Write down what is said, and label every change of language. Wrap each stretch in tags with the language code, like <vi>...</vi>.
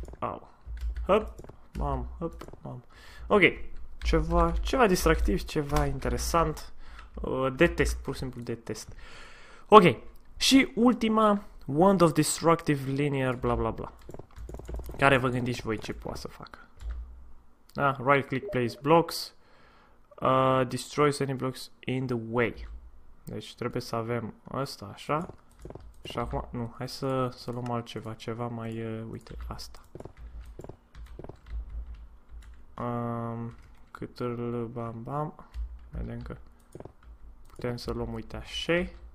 <ro>Au. Hop, mam, hop, mam. Ok. Ceva, ceva distractiv, ceva interesant. Detest, pur și simplu detest. Ok, și ultima, Wand of Destructive Linear, bla bla bla. Care vă gândiți și voi ce poate să facă?</ro> <en>Da, right click place blocks, destroys any blocks in the way.</en> <ro>Deci trebuie să avem asta, așa. Și acum, nu, hai să, să luăm altceva, ceva mai, uite, asta. Cât îl bam bam, vedem că... Putem să luăm, uite, așa.</ro>